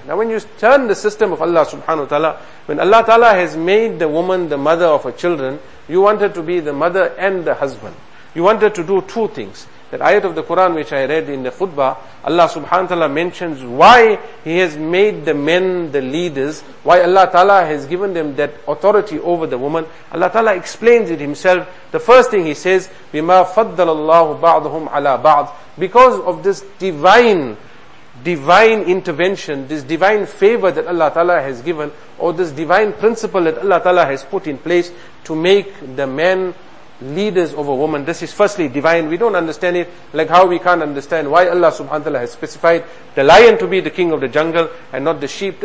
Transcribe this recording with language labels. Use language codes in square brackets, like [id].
[en] Now when you turn the system of Allah subhanahu wa ta'ala, when Allah ta'ala has made the woman the mother of her children, you want her to be the mother and the husband. You want her to do two things. That ayat of the Quran which I read in the khutbah, Allah subhanahu wa ta'ala mentions why He has made the men the leaders, why Allah ta'ala has given them that authority over the woman. Allah ta'ala explains it Himself. The first thing He says, [ar] بِمَا فَضَّلَ اللَّهُ بَعْضُهُمْ عَلَىٰ بَعْضٍ. [en] Because of this divine intervention, this divine favor that Allah ta'ala has given, or this divine principle that Allah ta'ala has put in place to make the men leaders over women. This is firstly divine. We don't understand it, like how we can't understand why Allah subhanahu wa ta'ala has specified the lion to be the king of the jungle and not the sheep.